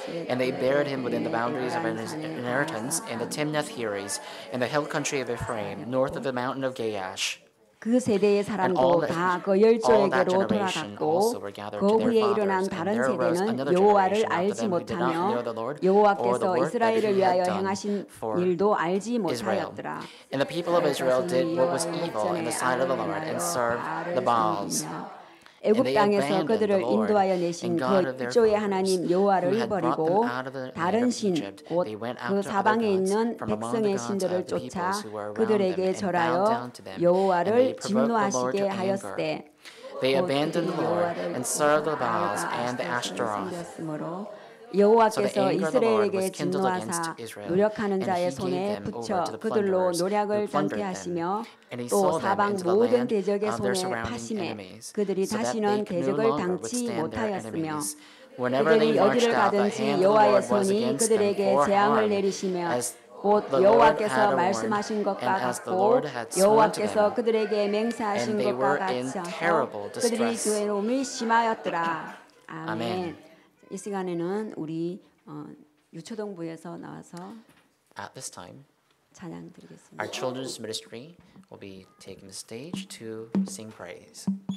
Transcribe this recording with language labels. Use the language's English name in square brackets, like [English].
[English] and they buried him within the boundaries of his inheritance in the Timnath-Heres in the hill country of Ephraim north of the mountain of Gaash. [Korean] 그 세대의 사람도 다 그 열조에게로 돌아갔고 그 후에 일어난 다른 세대는 여호와를 알지 못하며 여호와께서 이스라엘을 위하여 행하신 일도 알지 못하였더라. [English] And the people of Israel did what was evil in the sight of the Lord and served the Baals. [Korean] 애굽 땅에서 그들을 인도하여 내신 그 조의 하나님 여호와를 버리고 다른 신, 곧 그 사방에 있는 백성의 신들을 쫓아 그들에게 절하여 여호와를 진노하시게 하였을 때 [English] They abandoned the Lord and served the Baals and the Ashtaroth. [Korean] 여호와께서 이스라엘에게 진노하사 노력하는 자의 손에 붙여 그들로 노략을 당케 하시며 또 사방 모든 대적의 손에 파심해 그들이 다시는 대적을 당치 못하였으며 그들이 어디를 가든지 여호와의 손이 그들에게 재앙을 내리시며 곧 여호와께서 말씀하신 것과 같고 여호와께서 그들에게 맹세하신 것과 같이 그들이 괴로움이 심하였더라. 아멘. 이 시간에는 우리 유초동부에서 나와서 [English] At this time, [Korean] 찬양 드리겠습니다. [English] Our children's ministry will be taking the stage to sing praise.